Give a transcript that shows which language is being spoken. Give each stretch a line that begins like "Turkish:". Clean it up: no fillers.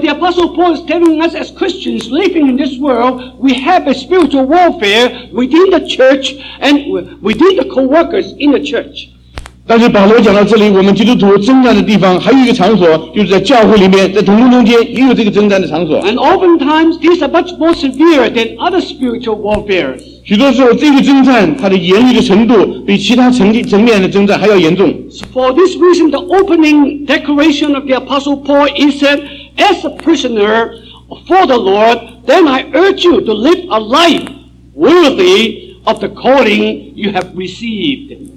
English: the Apostle Paul is telling us as Christians living in this world, we have a spiritual warfare within the church and within the co-workers in the church.
Chinese: 但是保罗讲到这里，我们基督徒征战的地方还有一个场所，就是在教会里面，在同工中间也有这个征战的场所。
English: And often times these are much more severe than other spiritual warfare.
Chinese: 许多时候，这个征战它的严厉的程度比其他层面的征战还要严重。
English: For this reason, the opening declaration of the Apostle Paul is said, "As a prisoner for the Lord, then I urge you to live a life worthy of the calling you have received."